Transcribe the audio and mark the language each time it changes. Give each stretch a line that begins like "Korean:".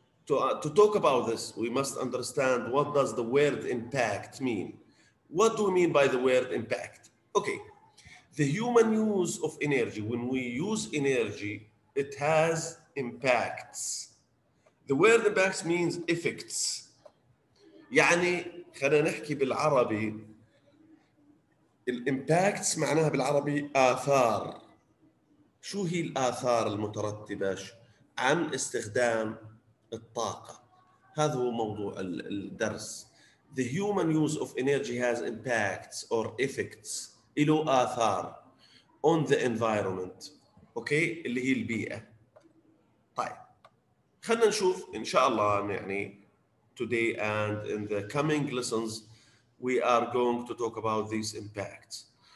English: To talk about this, we must understand what does the word impact mean? What do we mean by the word impact? Okay, the human use of energy, when we use energy, it has impacts. The word impacts means effects.
Arabic: يعني خلينا نحكي بالعربي الامباكتس معناها بالعربي آثار. شو هي الآثار المترتبة عن استخدام الطاقة؟ هذا هو موضوع الدرس.
English: The human use of energy has impacts or effects.
Arabic: إلو آثار
English: on the environment.
Arabic: Okay, اللي هي البيئة. طيب خلنا نشوف إن شاء الله يعني
English: today and in the coming lessons we are going to talk about these impacts.